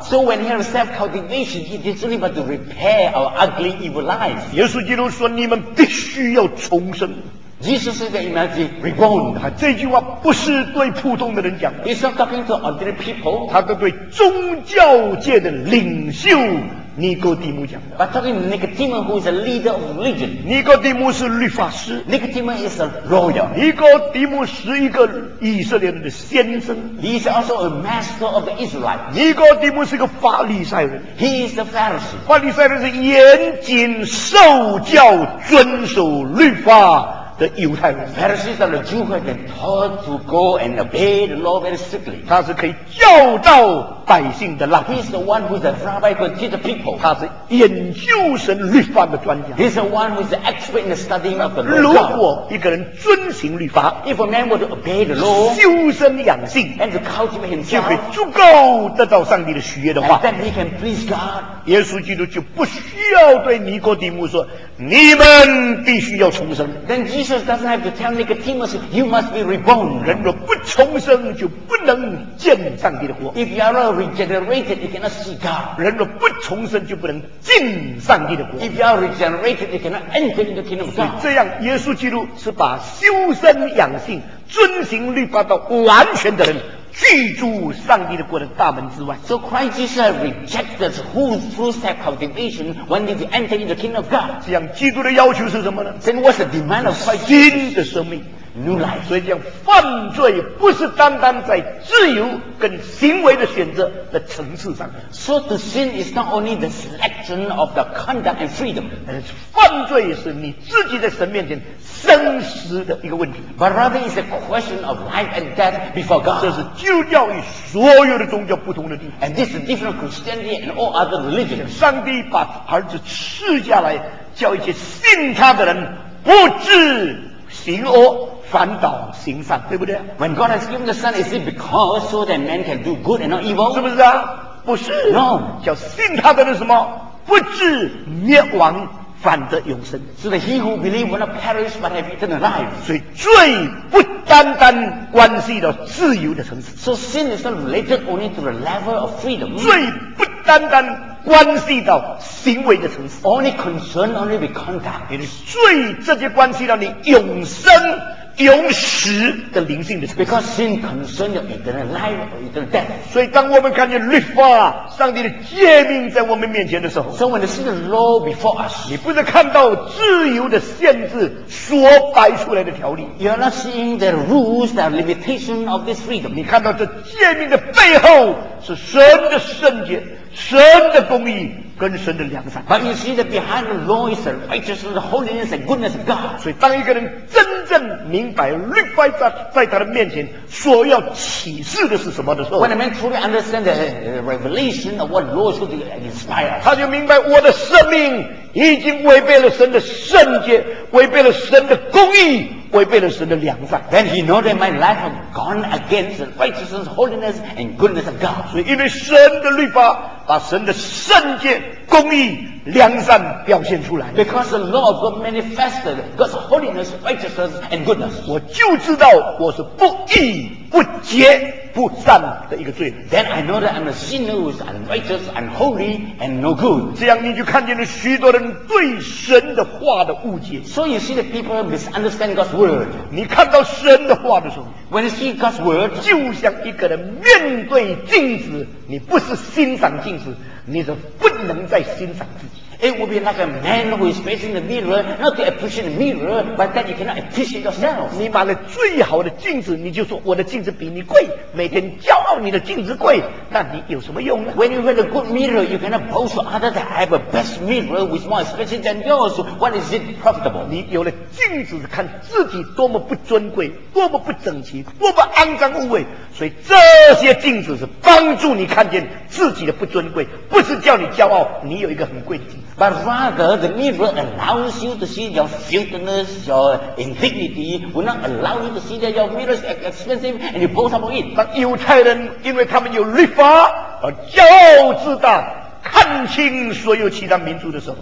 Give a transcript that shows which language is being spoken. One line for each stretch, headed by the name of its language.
English: So when you have self-cultivation, it is only about to repair our ugly evil lives.
Chinese: 耶稣基督说你们必须要重生。
English: Jesus is the image reborn.
Chinese: 这句话不是对普通的人讲的。
English: He's not talking to ordinary people.
Chinese: 他是对宗教界的领袖尼哥底母讲的。
English: But talking to Nicodemus, who is a leader of religion.
Chinese: 尼哥底母是律法师。
English: Nicodemus is a lawyer.
Chinese: 尼哥底母是一个以色列人的先生。
English: He is also a master of the Israelites.
Chinese: 尼哥底母是个法利赛人。
English: He is a Pharisee.
Chinese: 法利赛人是严谨受教、遵守律法。
English: The
Chinese: 犹太人
English: Pharisees are the Jews who have been taught to go and obey the law very strictly.
Chinese: 他是可以教导百姓的
English: He is the one who is the rabbi who teach the people.
Chinese: 他是研究神律法的专家
English: He is the one who is the expert in the studying of the law.
Chinese: 如果一个人遵行律法
English: If a man were to obey the law,
Chinese: 修身养性
English: and to cultivate himself,
Chinese: 就可以足够得到上帝的喜悦的话
English: And then he can please God.
Chinese: 耶稣基督就不需要对尼哥底母说你们必须要重生。
English: Then Jesus doesn't have to tell Nicodemus, you must be reborn.
Chinese: 人若不重生，就不能见上帝的国。
English: If you are regenerated, you cannot see God.
Chinese: 人若不重生，就不能进上帝的国。
English: If you are regenerated, you cannot enter into the kingdom of God.
Chinese: 这样，耶稣基督是把修身养性、遵行律法到完全的人。居住上帝的国的大门之外。
English: So Christ Jesus rejected who through self-cultivation wanted to enter into the kingdom of God.
Chinese: 这样基督的要求是什么呢
English: ？Then what's the demand of Christ?
Chinese: 新的生命
English: ，new life.
Chinese: 所以讲犯罪不是单单在自由跟行为的选择的层次上。
English: So the sin is not only the selection of the conduct and freedom.
Chinese: 犯罪是你自己在神面前。生死的一个问题
English: ，But rather is a question of life and death before God.
Chinese: 这是基督教与所有的宗教不同的地方。
English: And this is different Christianity and all other religions.
Chinese: 上帝把儿子赐下来，叫一些信他的人不至行恶。反倒行善，对不对
English: ？When God has given the Son, is it because so that man can do good and not evil?
Chinese: 是不是啊？不是。
English: No.
Chinese: 叫信他的人什么？不至灭亡。反得永生
English: So that he who believes will not perish but have eternal life
Chinese: 所以罪不单单关系到自由的层次
English: So sin is not related only to the level of freedom
Chinese: 罪不单单关系到行为的层次
English: Only concern only with conduct
Chinese: 因为罪这些关系到你永生永死的灵性的层次
English: Because sin concerns your eternal life or eternal death
Chinese: 所以当我们看见律法上帝的诫命在我们面前的时候
English: So when you see the law before us
Chinese: 你不是看到自由的限制所摆出来的条例
English: You are not seeing the rules the limitation of this freedom
Chinese: 你看到这诫命的背后是神的圣洁神的公义跟神的良善
English: But you see that behind the law is the righteousness, the holiness, and goodness of God
Chinese: 所以当一个人真正明白律法在他的面前所要启示的是什么的时候
English: When a man truly understands the revelation of what law should inspire
Chinese: 他就明白我的生命已经违背了神的圣洁违背了神的公义违背了神的良善
English: Then he knows that my life has gone against the righteousness, holiness, and goodness of God
Chinese: 所以因为神的律法把神的圣洁、公义、良善表现出来。
English: Because the law of God manifested God's holiness, righteousness, and goodness.
Chinese: 我就知道我是不义不洁不善的一个罪。
English: Then I know that I'm a sinner who is unrighteous, unholy, and no good.
Chinese: 这样你就看见了许多人对神的话的误解。
English: So you see that people misunderstand God's word.
Chinese: 你看到神的话的时候
English: ，When you see God's word，
Chinese: 就像一个人面对镜子，你不是欣赏镜子，你是不能再欣赏自己。
English: It would be like a man who is facing the mirror, not to appreciate the mirror, but that you cannot appreciate yourself.
Chinese: 你买了最好的镜子，你就说我的镜子比你贵，每天骄傲你的镜子贵，那你有什么用呢？
English: When you have a good mirror, you cannot boast to others that I have a best mirror which is more expensive than yours. What is it profitable?
Chinese: 你有了镜子，看自己多么不尊贵，多么不整齐，多么肮脏污秽。所以这些镜子是帮助你看见自己的不尊贵，不是叫你骄傲，你有一个很贵的镜子。
English: But rather, the mirror allows you to see your filthiness, your indignity, will not allow you to see that your mirror is expensive and you boast about it.
Chinese: 但犹太人因为他们有律法而骄傲自大，看清所有其他民族的时候